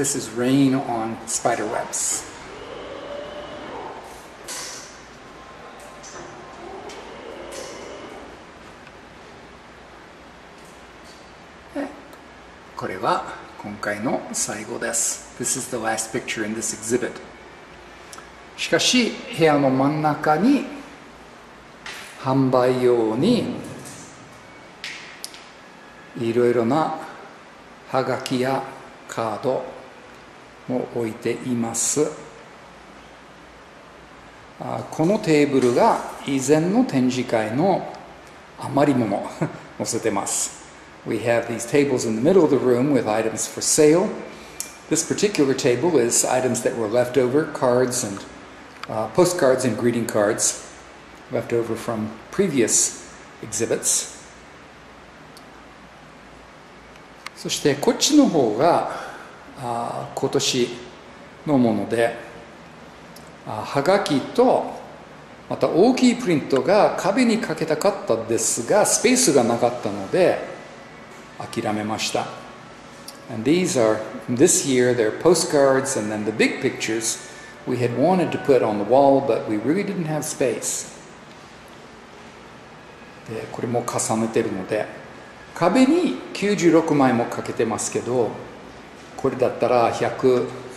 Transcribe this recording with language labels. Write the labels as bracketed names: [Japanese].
[English] This is rain on spider webs. [Japanese] で、これは今回の最後です。 [English] This is the last picture in this exhibit. [Japanese] しかし、部屋の真ん中に販売用にいろいろなはがきやカードも置いています。このテーブルが以前の展示会の余り物を載せてます。 [English] We have these tables in the middle of the room with items for sale. This particular table is items that were left over, cards andpostcards and greeting cards left over from previous exhibits. [Japanese] そしてこっちの方が今年のもので、はがきとまた大きいプリントが壁にかけたかったですが、スペースがなかったので諦めました。 [English] And these are this year their postcards and then the big picturesWe had wanted to put on the wall, but we really didn't have space. [Japanese] で、これも重ねてるので、壁に96枚もかけてますけど、これだったら100